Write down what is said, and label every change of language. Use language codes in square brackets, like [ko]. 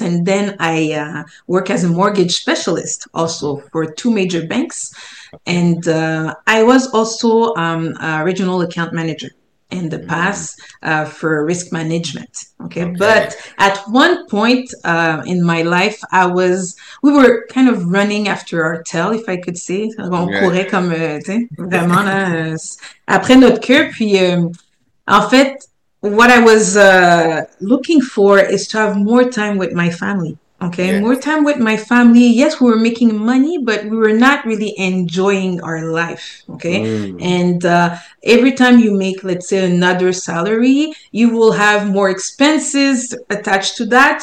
[en] And then I work as a mortgage specialist also for two major banks. And I was also a regional account manager in the past for risk management. Okay. But at one point in my life, we were kind of running after our tail, if I could say. [fr] On courait comme, tu sais, vraiment, après notre queue. Puis, en fait, [en] what I was looking for is to have more time with my family. Okay, more time with my family. Yes, we were making money, but we were not really enjoying our life. Okay, and every time you make, let's say, another salary, you will have more expenses attached to that.